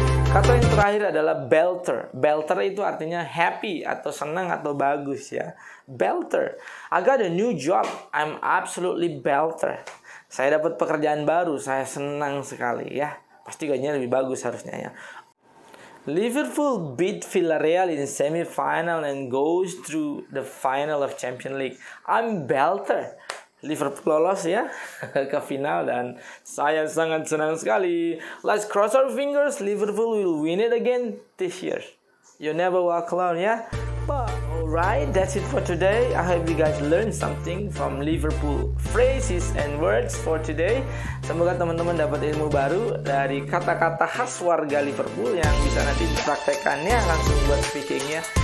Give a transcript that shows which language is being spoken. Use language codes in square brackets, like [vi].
[id] Kata yang terakhir adalah belter. Belter itu artinya happy atau senang atau bagus ya. Belter. [en] I got a new job. I'm absolutely belter. [id] Saya dapat pekerjaan baru. Saya senang sekali ya. Pasti gajinya lebih bagus harusnya ya. [en] Liverpool beat Villarreal in semi-final and goes through the final of Champions League. I'm belter. [id] Liverpool lolos ya ke final dan saya sangat senang sekali. [en] Let's cross our fingers Liverpool will win it again this year. You never walk alone ya. But alright, that's it for today. I hope you guys learned something from Liverpool phrases and words for today. [id] Semoga teman-teman dapat ilmu baru dari kata-kata khas warga Liverpool yang bisa nanti dipraktekannya langsung buat speakingnya.